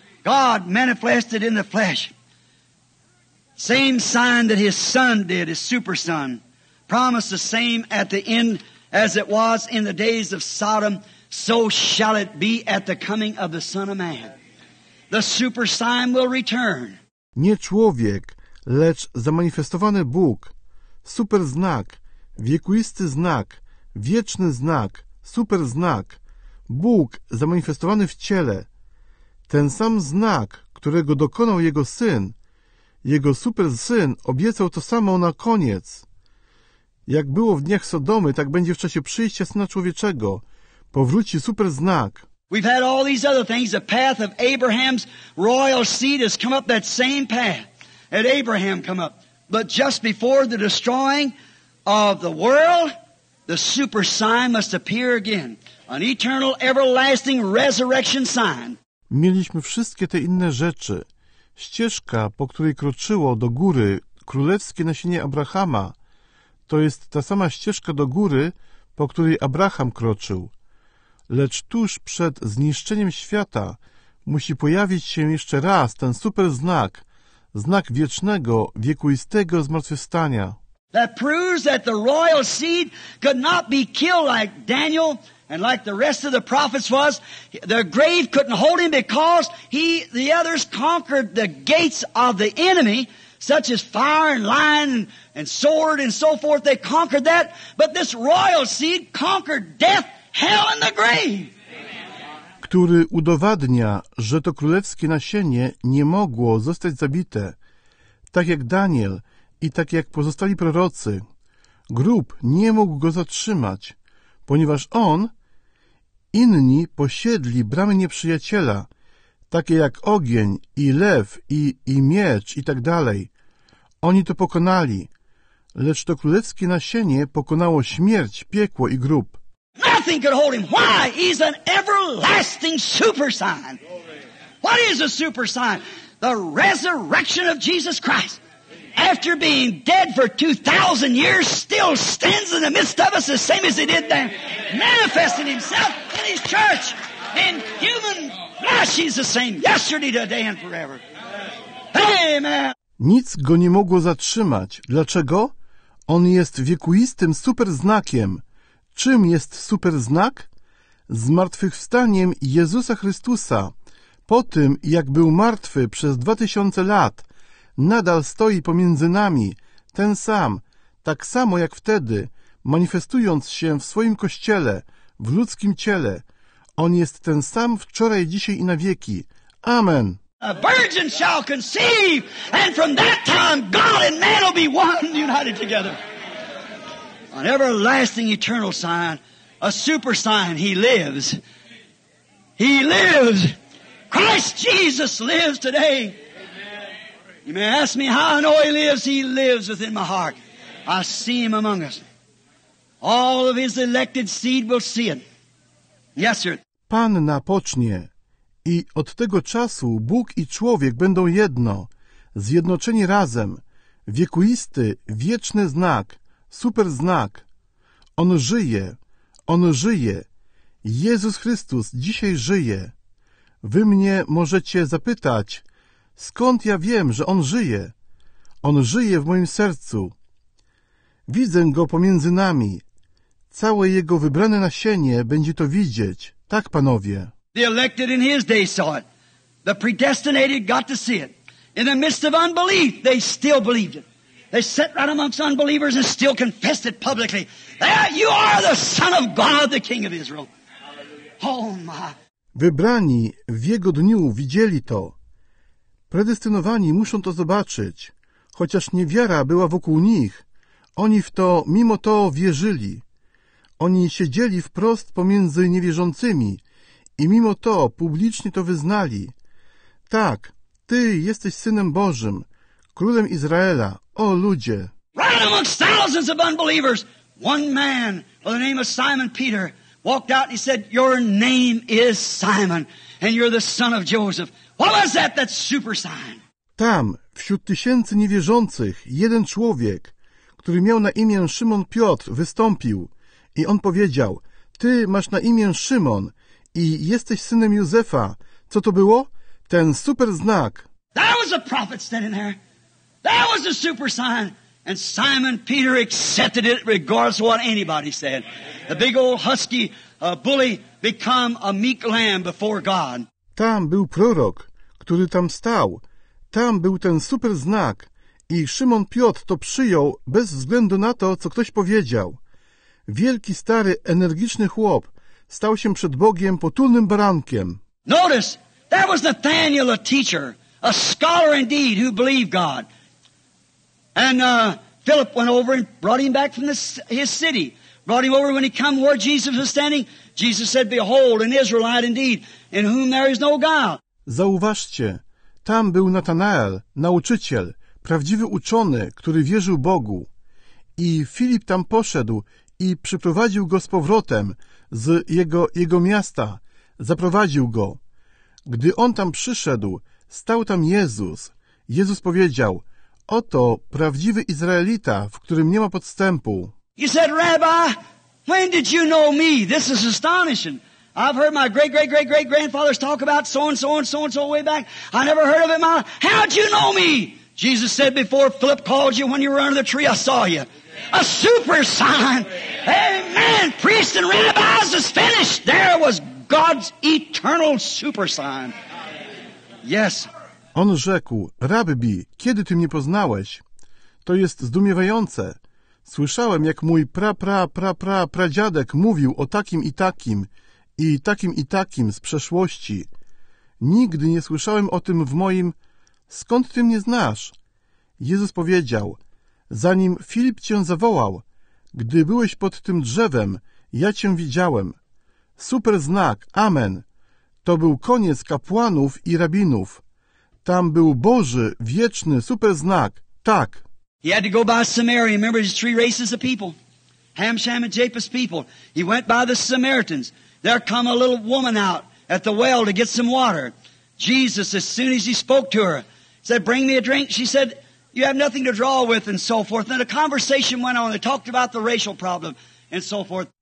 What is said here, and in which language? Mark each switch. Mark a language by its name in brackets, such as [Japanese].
[English] God manifested in the flesh. Same sign that his son did, his super son. Promised the same at the end as it was in the days of Sodom, so shall it be at the coming of the Son of Man. The super sign will return. [Polish] Nie człowiek, lecz zamanifestowany Bóg. Super znak, wiekuisty znak, wieczny znak, super znak, Bóg zamanifestowany w ciele. Ten sam znak, którego dokonał Jego Syn, Jego super Syn obiecał to samo na koniec. Jak było w dniach Sodomy, tak będzie w czasie przyjścia Syna Człowieczego. Powróci super znak. [English] We've had all these other things. The path of Abraham's royal seed has come up, that same path that Abraham come up. But just before the destroying of the world, the super sign must appear again. An eternal, everlasting resurrection sign. [Polish] Mieliśmy wszystkie te inne rzeczy. Ścieżka, po której kroczyło do góry królewskie nasienie Abrahama, to jest ta sama ścieżka do góry, po której Abraham kroczył. Lecz tuż przed zniszczeniem świata musi pojawić się jeszcze raz ten super znak, znak wiecznego, wiekuistego zmartwychwstania. [English] That proves that the royal seed could not be killed like Daniel and like the rest of the prophets was. The grave couldn't hold him because he, the others conquered the gates of the enemy, such as fire and lion and sword and so forth. They conquered that. But this royal seed conquered death, hell and the grave. [Polish] Który udowadnia, że to królewskie nasienie nie mogło zostać zabite, tak jak Daniel i tak jak pozostali prorocy. Grób nie mógł go zatrzymać, ponieważ on, inni posiedli bramy nieprzyjaciela, takie jak ogień i lew i miecz i tak dalej. Oni to pokonali, lecz to królewskie nasienie pokonało śmierć, piekło i grób. [English] Nothing could hold him. Why? He's an everlasting super sign. What is a super sign? The resurrection of Jesus Christ. After being dead for 2,000 years, still stands in the midst of us the same as he did then. Manifesting himself in his church. In human flesh, he's the same. Yesterday, today and forever. Amen. [Polish] Nic go nie mogło zatrzymać. Dlaczego? On jest wiekuistym super znakiem. Czym jest super znak? zmartwychwstaniem Jezusa Chrystusa, po tym, jak był martwy przez 2000 lat, nadal stoi pomiędzy nami, ten sam, tak samo jak wtedy, manifestując się w swoim Kościele, w ludzkim ciele. On jest ten sam wczoraj, dzisiaj i na wieki. Amen. [English] A virgin shall conceive, and from that time God and man will be one, united together. An everlasting eternal sign, a super sign, he lives. He lives. Christ Jesus lives today. You may ask me how I know he lives. He lives within my heart. I see him among us. All of his elected seed will see it. Yes, sir. [Polish] Pan napocznie. I od tego czasu Bóg i człowiek będą jedno, zjednoczeni razem, wiekuisty, wieczny znak, super znak. On żyje, Jezus Chrystus dzisiaj żyje. Wy mnie możecie zapytać, skąd ja wiem, że on żyje w moim sercu. Widzę go pomiędzy nami, całe jego wybrane nasienie będzie to widzieć, tak panowie? [English] The elected in his day saw it. The predestinated got to see it. In the midst of unbelief, they still believed it. They sat right amongst unbelievers and still confessed it publicly. There, you are the Son of God, the King of Israel. Oh my. [Polish] Wybrani w jego dniu widzieli to. Predestynowani muszą to zobaczyć. Chociaż niewiara była wokół nich, oni w to mimo to wierzyli. Oni siedzieli wprost pomiędzy niewierzącymi, i mimo to publicznie to wyznali. Tak, Ty jesteś Synem Bożym, Królem Izraela, o ludzie. [English] Right amongst thousands of unbelievers, one man by the name of Simon Peter walked out and he said, your name is Simon and you're the son of Joseph. What was that, that super sign? [Polish] Tam, wśród tysięcy niewierzących, jeden człowiek, który miał na imię Szymon Piotr, wystąpił i on powiedział, Ty masz na imię Szymon, i jesteś synem Józefa. Co to było? Ten super znak. [English] There was a prophet standing there. There was a super sign. And Simon Peter accepted it regardless of what anybody said. The big old husky bully become a meek lamb before God. [Polish] Tam był prorok, który tam stał. Tam był ten super znak. I Szymon Piotr to przyjął bez względu na to, co ktoś powiedział. Wielki, stary, energiczny chłop stał się przed Bogiem potulnym barankiem. [English] Notice, there was Nathaniel, a teacher, a scholar indeed, who believed God. And Philip went over and brought him back from his city. Brought him over when he came where Jesus was standing. Jesus said, behold, an Israelite indeed, in whom there is no God. [Polish] Zauważcie, tam był Natanael, nauczyciel, prawdziwy uczony, który wierzył Bogu. I Filip tam poszedł i przyprowadził go z powrotem, z jego miasta, zaprowadził go. Gdy on tam przyszedł, stał tam Jezus. Jezus powiedział, oto prawdziwy Izraelita, w którym nie ma podstępu. [English] He said, Rabbi, when did you know me? This is astonishing. I've heard my great-great-great-great-grandfathers talk about so-and-so way back. I never heard of it. How did you know me? Jesus said, before Philip called you, when you were under the tree, I saw you. A super sign. Amen. Priests and rabbis is finished. There was God's eternal super sign. Yes. [Polish] On rzekł, Rabbi, kiedy ty mnie poznałeś? To jest zdumiewające. Słyszałem, jak mój pradziadek mówił o takim i takim i takim i takim z przeszłości. Nigdy nie słyszałem o tym w moim... Skąd ty mnie znasz? Jezus powiedział... Zanim Filip cię zawołał, gdy byłeś pod tym drzewem, ja cię widziałem. Super znak, amen. To był koniec kapłanów i rabinów. Tam był Boży, wieczny, super znak. Tak. [English] He had to go by Samaria. Remember his three races of people? Ham, Shem, and Japheth's people. He went by the Samaritans. There come a little woman out at the well to get some water. Jesus, as soon as he spoke to her, said, bring me a drink. She said, you have nothing to draw with, and so forth. Then a conversation went on. They talked about the racial problem, and so forth.